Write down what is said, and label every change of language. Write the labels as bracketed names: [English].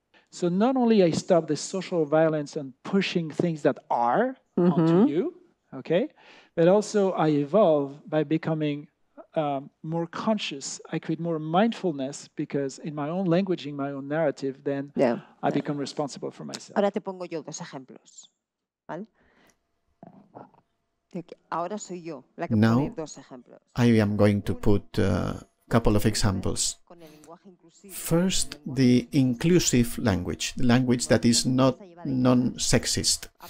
[English] So not only I stop the social violence and pushing things that are mm-hmm. onto you, okay, but also I evolve by becoming more conscious. I create more mindfulness because in my own language, in my own narrative, then yeah. I yeah. become responsible for myself. [Spanish] Ahora te pongo yo dos ejemplos, ¿vale? Ahora soy yo la que [English] now, [Spanish] pone dos ejemplos. [English] I am going to put a couple of examples. First, the inclusive language, the language that is not non-sexist.